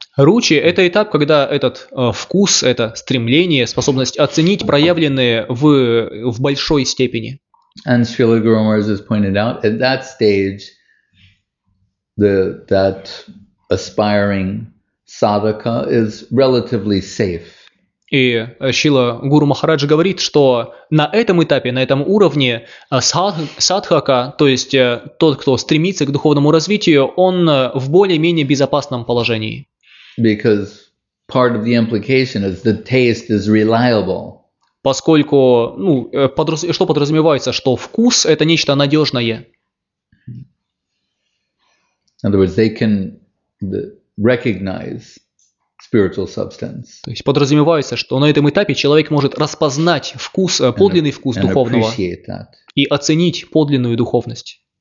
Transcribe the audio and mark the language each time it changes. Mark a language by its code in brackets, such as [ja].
[ru] Ручи – это этап, когда этот вкус, это стремление, способность оценить проявленные в большой степени. [en] And Srila Guru Maharaj has pointed out, at that stage, that aspiring sadhaka is relatively safe. [ru] И Шрила Гуру Махарадж говорит, что на этом этапе, на этом уровне садхака, то есть тот, кто стремится к духовному развитию, он в более-менее безопасном положении. [en] Because part of the implication is the taste is reliable. [ru] Поскольку, ну, что подразумевается, что вкус – это нечто надежное. [en] In other words, they can recognize spiritual substance. [ru] То есть подразумевается, что на этом этапе человек может распознать вкус, подлинный вкус духовного и оценить подлинную духовность.